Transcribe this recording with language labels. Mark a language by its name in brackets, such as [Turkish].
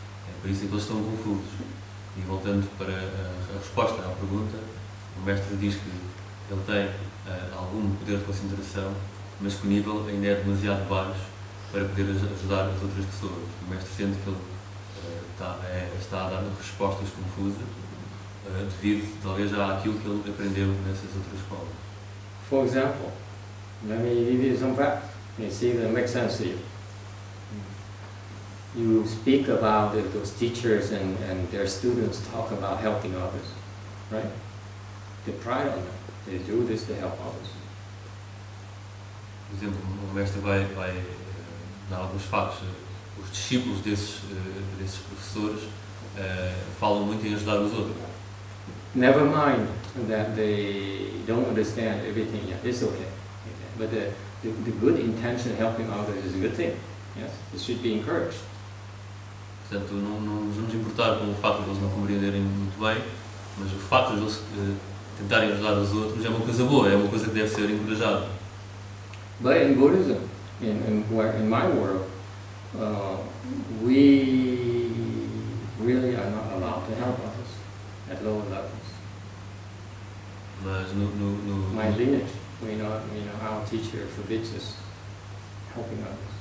[Portuguese] É por isso que eles estão confusos. E voltando para a resposta à pergunta, o mestre diz que ele tem algum poder de concentração, mas que o nível ainda é demasiado baixo para poder ajudar as outras pessoas. O mestre sente que ele está a dar respostas confusas, devido talvez àquilo que ele aprendeu nessas outras escolas. [English] For example, let me give you some facts and see if that makes sense to you. You speak about those teachers and their students talk about helping others, right? They pride on them. They do this to help others. [Portuguese] Por exemplo, o mestre vai dar alguns fatos. Os discípulos desses professores falam muito em ajudar os outros. [English] Never mind that they don't understand everything yet. It's okay. But the good intention of helping others is a good thing. Yes, it should be encouraged. [Portuguese] Portanto, não nos vamos importar com o facto de eles não compreenderem muito bem, mas o facto de eles tentarem ajudar os outros é uma coisa boa, é uma coisa que deve ser encorajada. [English] But in Buddhism, in my world, we really are not allowed to help others at lower levels. [Portuguese] Mas no [English] my lineage, we know our teacher forbids us helping others.